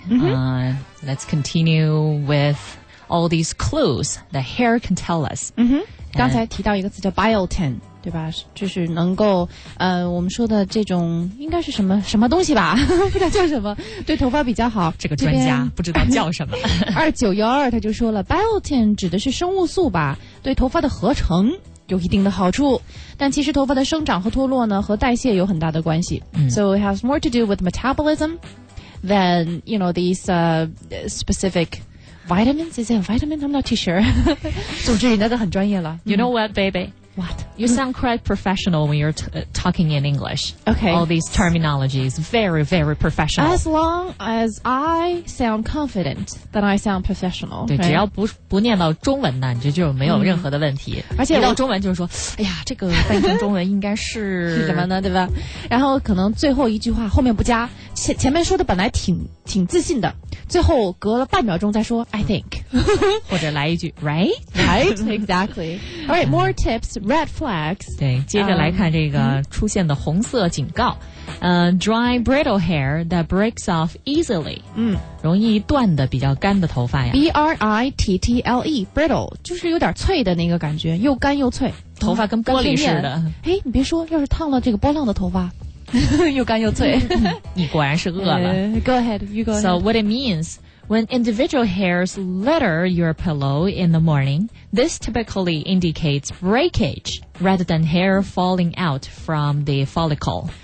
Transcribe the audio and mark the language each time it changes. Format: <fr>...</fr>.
<en>Let's continue with all these clues the hair can tell us.</en> <zh>刚才提到一个词叫 biotin, 对吧？就是能够我们说的这种应该是什么东西吧？不知道叫什么，对头发比较好。这个专家不知道叫什么。 2912他就说了 ，biotin 指的是生物素吧？对头发的合成。有一定的好处，但其实头发的生长和脱落呢，和代谢有很大的关系。</zh> <en>So it has more to do with metabolism than, you know, these specific vitamins. Is it a vitamin? I'm not too sure.</en> <zh>总之，你那个很专业了。</zh> <en>You know what, baby? What? You sound quite professional when you're talking in English. Okay. All these terminologies, very, very professional. As long as I sound confident, then I sound professional.</en> <zh>对，只要不念到中文呢，你就没有任何的问题。而且一到中文就是说，哎呀，这个翻译成中文应该是是什么呢？对吧？然后可能最后一句话后面不加，前面说的本来挺自信的，最后隔了半秒钟再说</zh> <en>I think，或者来一句 Right, right, exactly. All right, more tips, red flags.</en> <zh>对，接着来看这个出现的红色警告。</zh> <en>Dry brittle hair that breaks off easily.</en> <zh>容易断的比较干的头发呀。 Brittle, brittle 就是有点脆的那个感觉，又干又脆，头发跟玻璃似的。哎，你别说，要是烫了这个波浪的头发。又干又脆你果然是饿了</zh> <en>Go ahead, you go ahead. So what it means, when individual hairs litter your pillow in the morning, this typically indicates breakage rather than hair falling out from the follicle.</en>